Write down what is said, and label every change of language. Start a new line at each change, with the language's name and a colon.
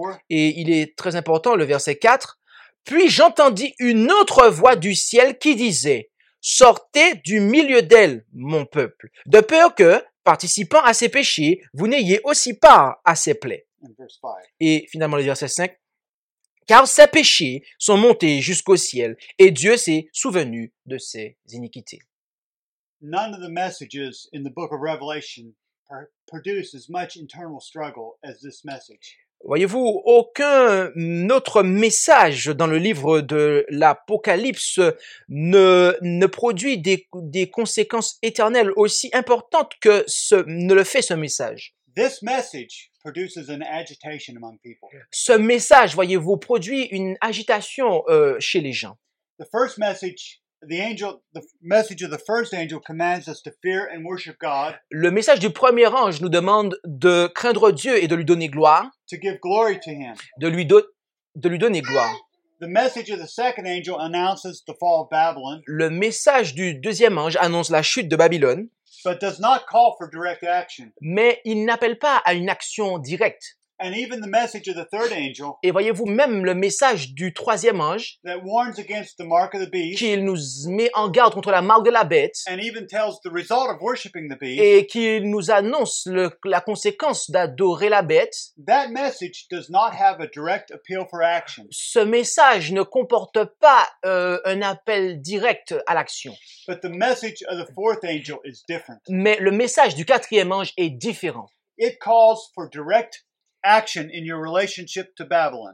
French: Et il est très important le verset 4, puis j'entendis une autre voix du ciel qui disait, sortez du milieu d'elle, mon peuple, de peur que, participant à ses péchés, vous n'ayez aussi part à ses plaies. Et finalement le verset 5, car ses péchés sont montés jusqu'au ciel, et Dieu s'est souvenu de ses iniquités.
English: None of the messages in the book of Revelation produce as much internal struggle as this message.
French: Voyez-vous, aucun autre message dans le livre de l'Apocalypse ne produit des conséquences éternelles aussi importantes que ne le fait ce message.
English: This message produces an agitation among people.
French: Ce message, voyez-vous, produit une agitation chez les gens.
English: The first message, the message of the first angel commands us to fear and worship God.
French: Le message du premier ange nous demande de craindre Dieu et de lui donner gloire.
English: To give glory to him.
French: De lui donner gloire.
English: The message of the second angel announces the fall of Babylon.
French: Le message du deuxième ange annonce la chute de Babylone.
English: But does not call for direct action.
French: Mais il n'appelle pas à une action directe.
English: And even the message of the third angel,
French: et voyez-vous, même le message du troisième ange
English: that warns against the mark of the beast,
French: qui nous met en garde contre la marque de la bête
English: and even tells the result of worshiping the beast,
French: et qui nous annonce la conséquence d'adorer la bête,
English: that message does not have a direct appeal for action.
French: Ce message ne comporte pas un appel direct à l'action.
English: But the message of the fourth angel is different.
French: Mais le message du quatrième ange est différent.
English: It calls for direct action in your relationship to Babylon.